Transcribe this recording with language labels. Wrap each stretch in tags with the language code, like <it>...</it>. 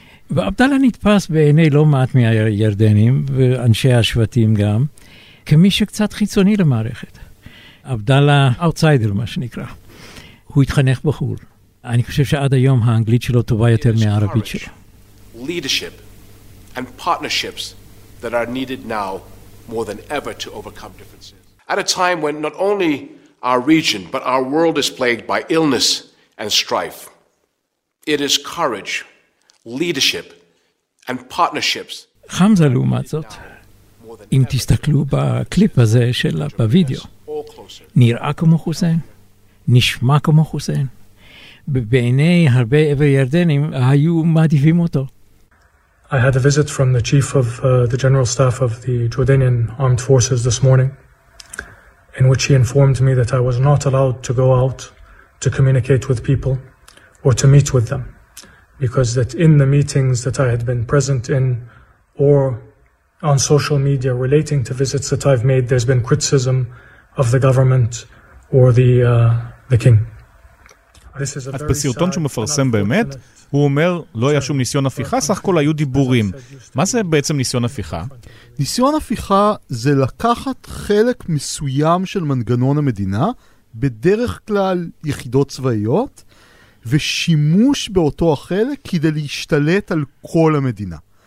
<he>ועבדאללה נתפס בעיני לא מעט מהירדנים, ואנשי השבטים גם, כמי שקצת חיצוני למערכת. עבדאללה אוטסיידר, מה שנקרא. הוא התחנך בחור. אני חושב שעד היום האנגלית שלו טובה יותר מהערבית שלו.</he> <en>Leadership and partnerships that are needed now more than ever to overcome differences. At a time when not only our region but our world is plagued by illness and strife. It is courage, leadership and partnerships.</en> <he>חמזה לעומת זאת, אם תסתכלו בקליפ הזה של בווידאו, נראה כמו חוסיין, נשמע כמו חוסיין. בעיני הרבה עבר ירדנים היו מעדיפים אותו.</he> <en>I had a visit from the chief of the general staff of the Jordanian armed forces this morning, in which he informed me that I was not allowed to go out to communicate with people or to meet with them, because that in the meetings that I had been present in or on social media relating to visits that I've made, there's been criticism of the government or the king.</en> <he>אז בסרטון שהוא מפרסם באמת, הוא אומר, לא היה שום ניסיון הפיכה, סך הכל היו דיבורים. מה זה בעצם ניסיון הפיכה? ניסיון הפיכה זה לקחת חלק מסוים של מנגנון המדינה, בדרך כלל יחידות צבאיות, ושימוש באותו החלק כדי להשתלט על כל המדינה.</he>